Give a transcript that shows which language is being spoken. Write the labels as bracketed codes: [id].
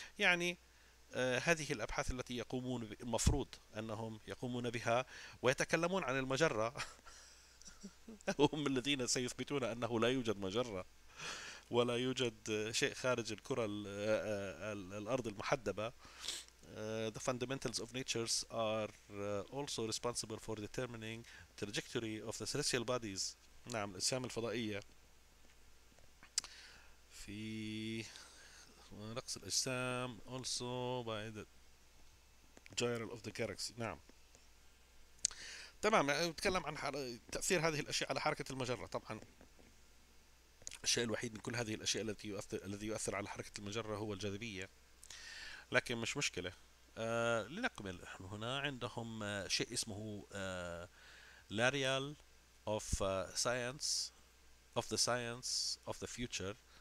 [ar] يعني هذه الأبحاث التي يقومون المفروض أنهم يقومون بها ويتكلمون عن المجرة, هم الذين سيثبتون أنه لا يوجد مجرة ولا يوجد شيء خارج الكرة الأرض المحدبة. [en] The fundamentals of natures are also responsible for determining trajectory of the celestial bodies. [ar] نعم, الأجسام الفضائية في رقص الأجسام [en] also by the gyral of the galaxy. [ar] نعم تمام. نتكلم عن تأثير هذه الأشياء على حركة المجرة. طبعا الشيء الوحيد من كل هذه الأشياء الذي يؤثر على حركة المجرة هو الجاذبية, لكن مش مشكلة. لنكمل. نحن هنا عندهم شيء اسمه لاريال [en] of science of the science of the future.